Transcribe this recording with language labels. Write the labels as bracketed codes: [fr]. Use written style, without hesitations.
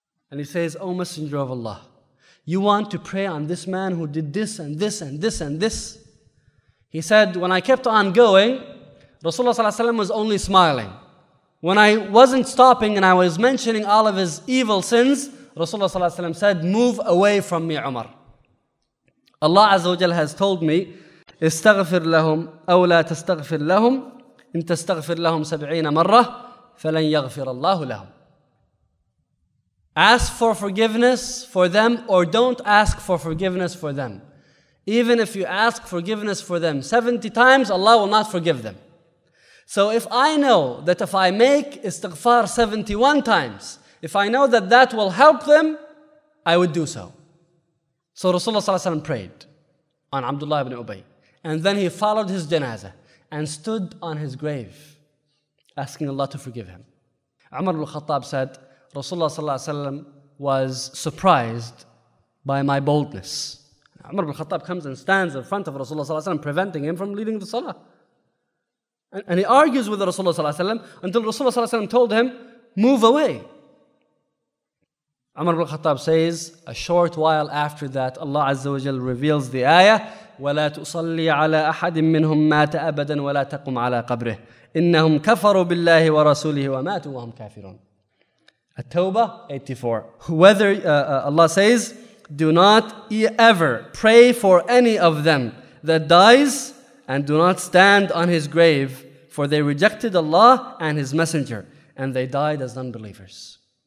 [en] And he says, O Messenger of Allah, you want to pray on this man who did this and this and this and this? He said, when I kept on going, Rasulullah ﷺ was only smiling. When I wasn't stopping and I was mentioning all of his evil sins, Rasulullah ﷺ said, move away from me, Umar. Allah Azza wa Jalla has told me, [ar] استغفر لهم أو لا تستغفر لهم إن تستغفر لهم 70 مرة فَلَنْ يَغْفِرَ اللَّهُ لَهُمْ. [en] Ask for forgiveness for them, or don't ask for forgiveness for them. Even if you ask forgiveness for them 70 times, Allah will not forgive them. So if I know that if I make istighfar 71 times, if I know that that will help them, I would do so. So Rasulullah ﷺ prayed on Abdullah ibn Ubay. And then he followed his janazah and stood on his grave, asking Allah to forgive him. Umar al-Khattab said, Rasulullah ﷺ was surprised by my boldness. Umar al-Khattab comes and stands in front of Rasulullah ﷺ, preventing him from leading the salah. And he argues with Rasulullah ﷺ until Rasulullah ﷺ told him, move away. Umar ibn Khattab says, a short while after that, Allah Azza wa Jal reveals the ayah, [ar] وَلَا تُصَلِّ عَلَىٰ أَحَدٍ مِّنْهُمْ مَاتَ أَبَدًا وَلَا تَقُمْ عَلَىٰ قَبْرِهِ إِنَّهُمْ كَفَرُوا بِاللَّهِ وَرَسُولِهِ وَمَاتُوا وَهُمْ كَافِرُونَ. [en] At-Tawbah 84. Whether, Allah says, do not ever pray for any of them that dies, and do not stand on his grave, for they rejected Allah and his messenger, and they died as unbelievers.